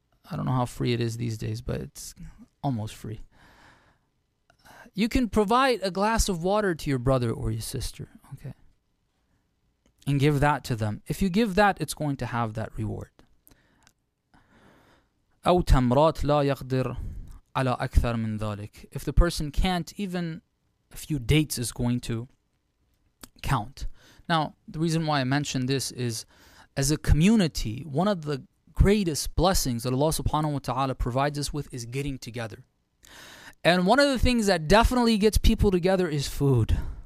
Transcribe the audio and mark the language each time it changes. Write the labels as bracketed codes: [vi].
[en] I don't know how free it is these days, but it's almost free. You can provide a glass of water to your brother or your sister, okay? And give that to them. If you give that, it's going to have that reward. [ar] أو تمرات لا يقدر على أكثر من ذلك. [en] If the person can't, even a few dates is going to count. Now, the reason why I mentioned this is, as a community, one of the greatest blessings that Allah subhanahu wa ta'ala provides us with is getting together. And one of the things that definitely gets people together is food.